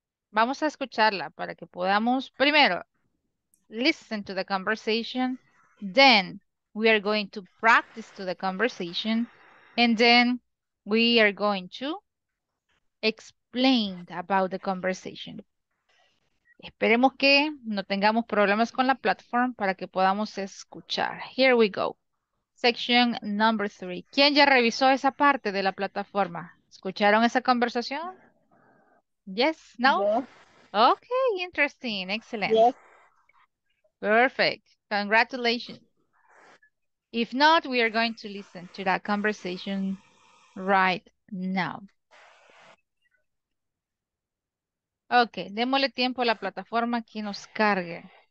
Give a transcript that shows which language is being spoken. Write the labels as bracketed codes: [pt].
[es] Vamos a escucharla para que podamos, primero, [en] listen to the conversation, then we are going to practice to the conversation, and then we are going to explain about the conversation. [es] Esperemos que no tengamos problemas con la plataforma para que podamos escuchar. [en] Here we go. Section number 3. [es] ¿Quién ya revisó esa parte de la plataforma? ¿Escucharon esa conversación? [en] Yes, no? Yes. Okay, interesting, excellent. Yes. Perfect, congratulations. If not, we are going to listen to that conversation right now. [es] Okay, démosle tiempo a la plataforma que nos cargue.